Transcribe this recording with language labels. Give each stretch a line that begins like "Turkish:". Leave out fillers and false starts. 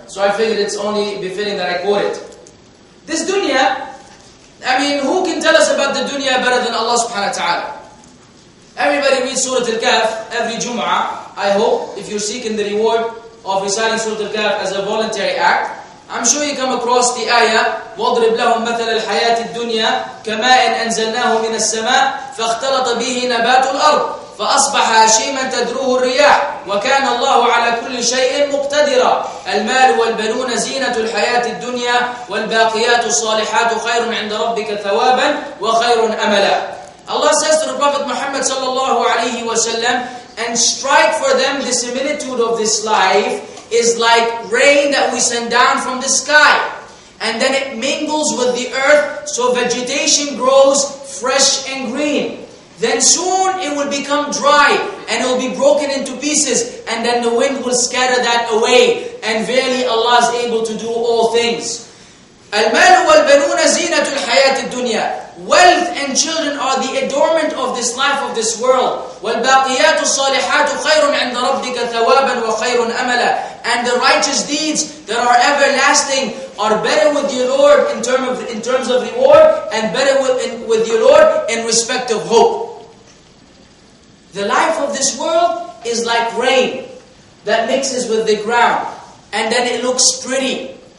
English: So I figured it's only befitting that I quote it. This dunya, I mean, who can tell us about the dunya better than Allah subhanahu wa ta'ala? Everybody reads Surah Al-Kahf every Jumu'ah. I hope if you're seeking the reward of reciting Surah Al-Kahf as a voluntary act. I'm sure you come across the ayah,
Arabic: وَاضْرِبْ لَهُمْ مَثَلَ الْحَيَاةِ الدُّنْيَا كَمَاءٍ أَنْزَلْنَاهُ مِنَ السَّمَاءِ فَاخْتَلَطَ بِهِ نَبَاتُ الْأَرْضِ فَأَصْبَحَ هَشِيمًا تَدْرُوهُ الرِّيَاحُ وَكَانَ اللَّهُ عَلَى كُلِّ شَيْءٍ مُقْتَدِرًا الْمَالُ وَالْبَنُونَ زِينَةُ الْحَيَاةِ الدُّنْيَا وَالْبَاقِيَاتُ الصَّالِحَاتُ خَيْرٌ عِنْدَ رَبِّكَ ثَوَابًا وَخَيْرٌ أَمَلًا.
English: Allah says to the Prophet Muhammad sallallahu alayhi wa sallam, and strike for them the similitude of this life is like rain that we send down from the sky. And then it mingles with the earth, so vegetation grows fresh and green. Then soon it will become dry and it will be broken into pieces, and then the wind will scatter that away. And verily Allah is able to do all things.
Arabic: المال والبنون زينة الحياة الدنيا.
English: Wealth and children are the adornment of this life of this world.
Arabic: والباقيات الصالحات خير عند ربك ثوابا وخير أملا.
English: And the righteous deeds that are everlasting are better with your Lord in terms of reward, and better with your Lord in respect of hope. The life of this world is like rain that mixes with the ground, and then it looks pretty.